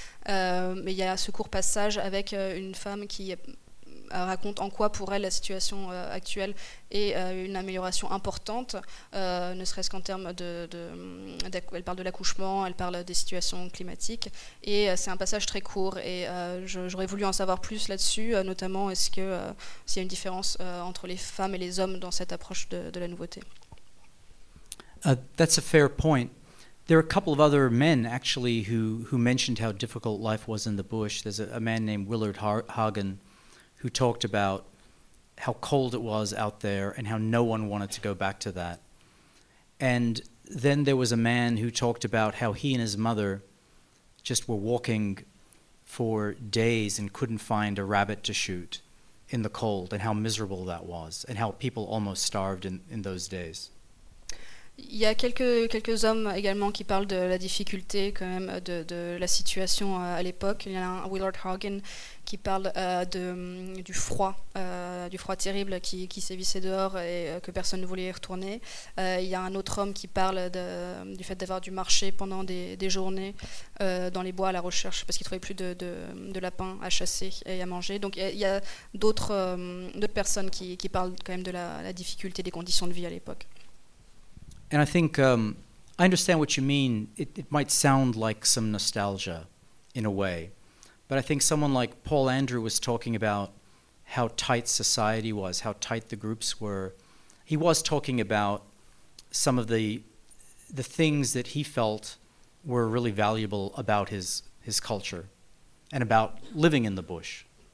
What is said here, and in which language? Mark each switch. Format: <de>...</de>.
<fr>Mais il y a ce court passage avec une femme qui raconte en quoi pour elle la situation actuelle est une amélioration importante, ne serait-ce qu'en termes elle parle de l'accouchement, elle parle des situations climatiques, et c'est un passage très court, et j'aurais voulu en savoir plus là-dessus, notamment est-ce que s'il y a une différence entre les femmes et les hommes dans cette approche de la nouveauté.</fr> <en>That's a fair point. There are a couple of other men, actually, who mentioned how difficult life was in the bush. There's a man named Willard Hagen who talked about how cold it was out there and how no one wanted to go back to that. And then there was a man who talked about how he and his mother just were walking for days and couldn't find a rabbit to shoot in the cold, and how miserable that was, and how people almost starved in those days.</en> <fr>Il y a quelques hommes également qui parlent de la difficulté quand même de la situation à l'époque. Il y a un Willard Hagen qui parle du froid terrible qui sévissait dehors et que personne ne voulait y retourner. Il y a un autre homme qui parle du fait d'avoir dû marcher pendant des journées dans les bois à la recherche parce qu'il ne trouvait plus de lapins à chasser et à manger. Donc il y a d'autres personnes qui parlent quand même de la difficulté des conditions de vie à l'époque.</fr> <en>And I think I understand what you mean. It might sound like some nostalgia in a way. But I think someone like Paul Andrew was talking about how tight society was, how tight the groups were. He was talking about some of the things that he felt were really valuable about his culture and about living in the bush.</en>